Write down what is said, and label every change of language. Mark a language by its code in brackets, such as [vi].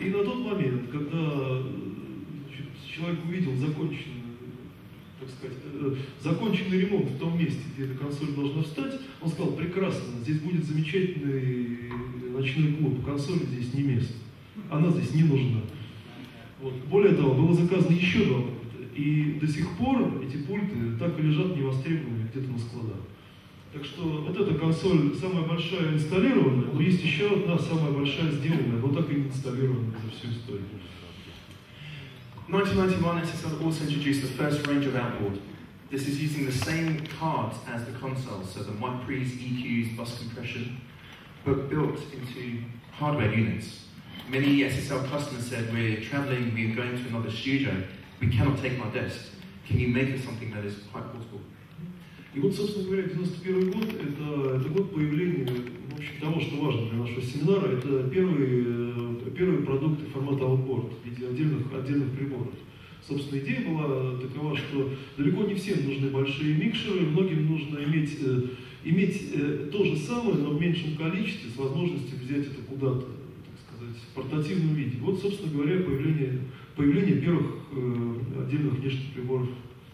[ru] И на тот момент, когда человек увидел законченный, так сказать, законченный ремонт в том месте, где эта консоль должна встать, он сказал: прекрасно, здесь будет замечательный ночной клуб, консоль здесь не место, она здесь не нужна. Вот. Более того, было заказано еще два пульта, и до сих пор эти пульты так и лежат невостребованные где-то на складах. Так что вот эта консоль самая большая инсталлированная, но есть еще одна самая большая сделанная, но так и не инсталлированная за всю историю. [en] 1991 SSL also introduced the first range of outboard. This is using the same cards as the consoles, so the MicPres, EQs, bus compression, but built into hardware units. Many SSL customers said, we're traveling, we're going to another studio, we cannot take my desk. Can you make us something that is quite portable? [ru] И вот, собственно говоря, 91 год – это год появления, в общем, того, что важно для нашего семинара. Это первые продукты формата outboard в виде отдельных приборов. Собственно, идея была такова, что далеко не всем нужны большие микшеры, многим нужно иметь то же самое, но в меньшем количестве, с возможностью взять это куда-то, так сказать, в портативном виде. Вот, собственно говоря, появление первых отдельных внешних приборов